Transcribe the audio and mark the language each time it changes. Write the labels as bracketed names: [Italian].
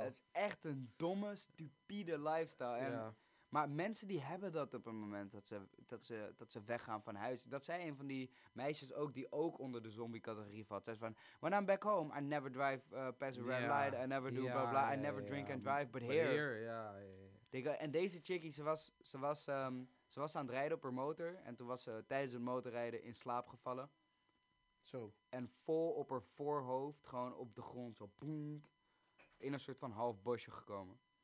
[Dutch] Het is echt een domme, stupide lifestyle. En maar mensen die hebben dat op het moment dat ze weggaan van huis. Dat zei een van die meisjes ook die ook onder de zombie-categorie valt. Zei van, [English] when I'm back home, I never drive past a red light. I never do blah blah. I never drink and drive, but here. [Dutch] En deze chickie, ze was aan het rijden op haar motor. En toen was ze tijdens het motorrijden in slaap gevallen. Zo. En vol op haar voorhoofd, gewoon op de grond, zo boink, in een soort van half bosje gekomen.